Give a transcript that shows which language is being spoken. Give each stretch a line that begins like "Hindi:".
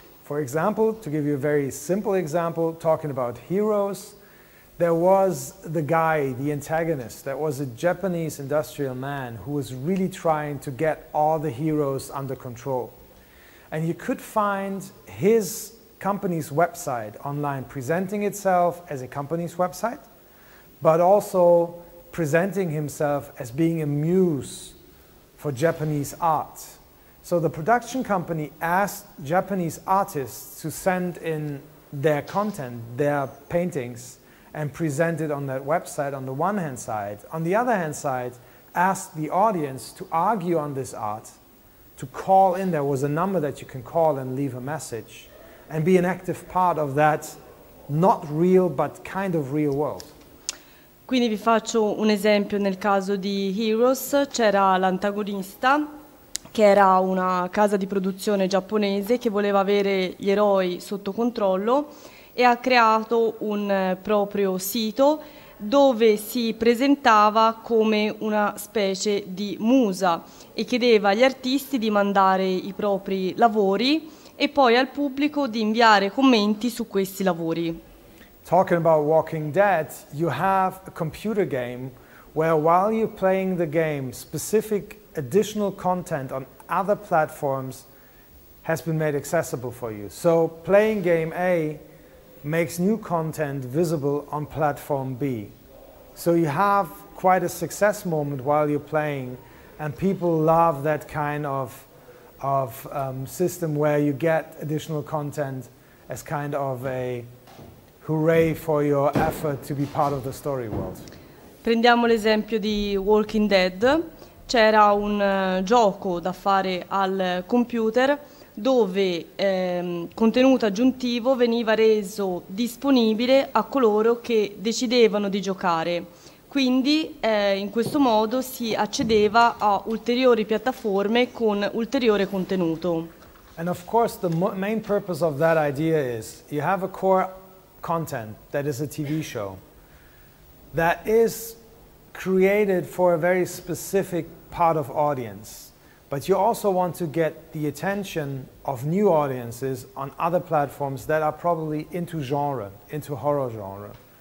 English: For example, to give you a very simple example, talking about heroes, there was the guy, the antagonist, that was a Japanese industrial man who was really trying to get all the heroes under control. And you could find his company's website online presenting itself as a company's website, but also presenting himself as being a muse for Japanese art. So the production company asked Japanese artists to send in their content, their paintings, and present it on that website on the one hand side. On the other hand side, asked the audience to argue on this art, to call in. There was a number that you can call and leave a message, and be an active part of that not real but kind of real world.
Italian: Quindi vi faccio un esempio nel caso di Heroes. C'era l'antagonista, che era una casa di produzione giapponese che voleva avere gli eroi sotto controllo, e ha creato un proprio sito dove si presentava come una specie di musa e chiedeva agli artisti di mandare i propri lavori e poi al pubblico di inviare commenti su questi lavori.
English: Talking about Walking Dead, you have a computer game where while you're playing the game, specific additional content on other platforms has been made accessible for you. So playing game A makes new content visible on platform B. So you have quite a success moment while you're playing, and people love that kind of system where you get additional content as kind of a hooray for your effort to be part of the story world.
Italian: Prendiamo l'esempio di Walking Dead. C'era un gioco da fare al computer dove contenuto aggiuntivo veniva reso disponibile a coloro che decidevano di giocare. Quindi in questo modo si accedeva a ulteriori piattaforme con ulteriore contenuto.
English: And of course the main purpose of that idea is you have a core content that is a TV show that is created for a very specific part of audience, but you also want to get the attention of new audiences on other platforms that are probably into genre, into horror genre.